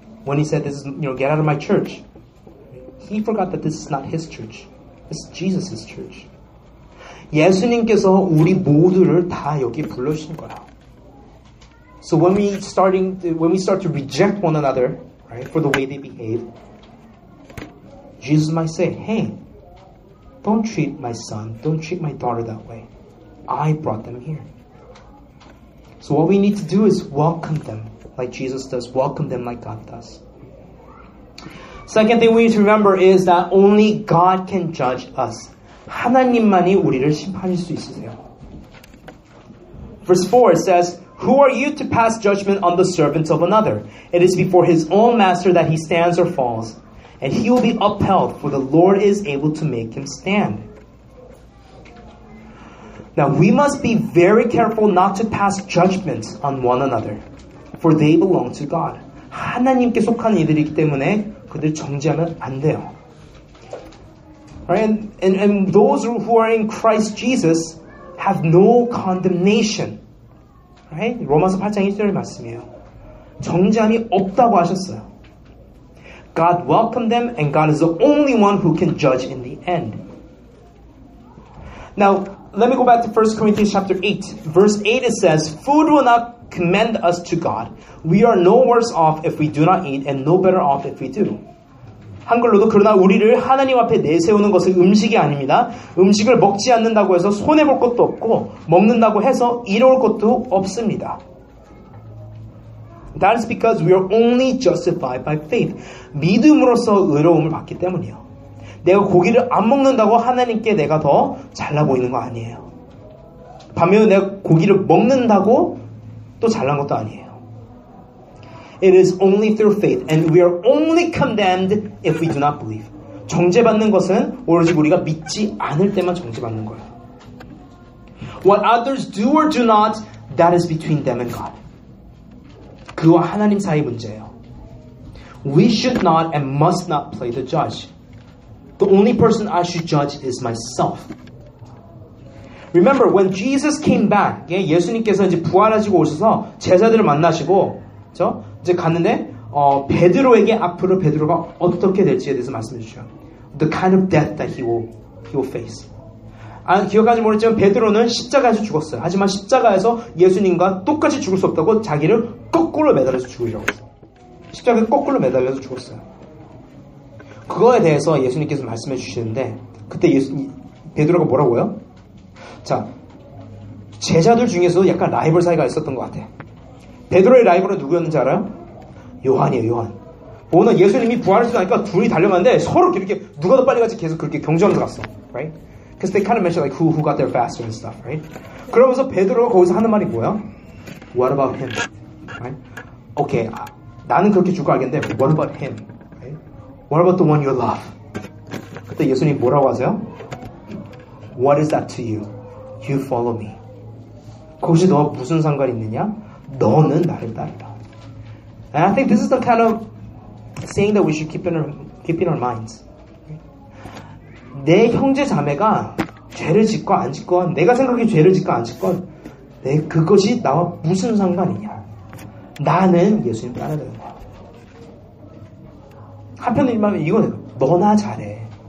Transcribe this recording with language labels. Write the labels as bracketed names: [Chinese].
[English] When he said, "This is, you know, get out of my church," he forgot that this is not his church. This is Jesus' church. [Korean] 예수님께서 우리 모두를 다 여기 불러주신 거야. [English] So when we start to reject one another, right, for the way they behave, Jesus might say, "Hey, don't treat my son, don't treat my daughter that way. I brought them here." So what we need to do is welcome them like Jesus does, welcome them like God does. Second thing we need to remember is that only God can judge us. [Korean] 하나님만이 우리를 심판할 수 있으세요. [English] Verse 4 says, Who are you to pass judgment on the servant of another? It is before his own master that he stands or falls, and he will be upheld, for the Lord is able to make him stand. Now we must be very careful not to pass judgment on one another, for they belong to God. [Korean] 하나님께 속한 이들이기 때문에 그들 정죄하면 안 돼요. [English] Right? And those who are in Christ Jesus have no condemnation. Right? [Korean] 로마서 8장 1절의 말씀이에요. 정죄함이 없다고 하셨어요. [English] God welcomed them, and God is the only one who can judge in the end. Now, let me go back to 1 Corinthians chapter 8. Verse 8, it says, Food will not commend us to God. We are no worse off if we do not eat, and no better off if we do. [Korean] 한글로도 그러나 우리를 하나님 앞에 내세우는 것은 음식이 아닙니다. 음식을 먹지 않는다고 해서 손해볼 것도 없고 먹는다고 해서 잃어올 것도 없습니다. [English] That is because we are only justified by faith. [Korean] 믿음으로서 의로움을 받기 때문이요. 내가 고기를 안 먹는다고 하나님께 내가 더 잘나 보이는 거 아니에요. 반면에 내가 고기를 먹는다고 또 잘난 것도 아니에요. [English] It is only through faith, and we are only condemned if we do not believe. [Korean] 정죄받는 것은 오로지 우리가 믿지 않을 때만 정죄받는 거예요. [English] What others do or do not, that is between them and God. [Korean] 그와 하나님 사이 문제예요. [English] We should not and must not play the judge. The only person I should judge is myself. Remember, when Jesus came back, [Korean] 예, 예수님께서 이제 부활하시고 오셔서 제자들을 만나시고, 그렇죠? 이제 갔는데 베드로에게 앞으로 베드로가 어떻게 될지에 대해서 말씀해 주셔. [English] The kind of death that he will face. [Korean] 아, 기억하지 모르지만 베드로는 십자가에서 죽었어요. 하지만 십자가에서 예수님과 똑같이 죽을 수 없다고 자기를 거꾸로 매달려서 죽으려고 했어요. 십자가에 거꾸로 매달려서 죽었어요. 그거에 대해서 예수님께서 말씀해 주시는데 그때 베드로가 뭐라고요? 자, 제자들 중에서 약간 라이벌 사이가 있었던 것 같아요. 베드로의 라이벌은 누구였는지 알아요? 요한이에요, 요한. 오늘 예수님이 부활을 했으니까 둘이 달려갔는데 서로 이렇게 누가 더 빨리 갔지 계속 그렇게 경쟁을 갔어. [English] Right? Because they kind of mentioned like who got there faster and stuff, right? [Korean] 그러면서 베드로가 거기서 하는 말이 뭐야? [English] What about him? Right? Okay, [Korean] 나는 그렇게 죽을 거 알겠는데 [English] What about him? Right? What about the one you love? [Korean] 그때 예수님이 뭐라고 하세요? [English] What is that to you? You follow me. [Korean] 거기서 너와 무슨 상관이 있느냐? 너는 나를 따르라. [English] And I think this is the kind of saying that we should keep in our minds. [Korean] 내 형제 자매가 죄를 짓고 안 짓건, 내가 생각해 죄를 짓고 안 짓건, 내 그것이 나와 무슨 상관이냐? 나는 예수님 따르는 거야. 한편으로는 이거는 너나 잘해.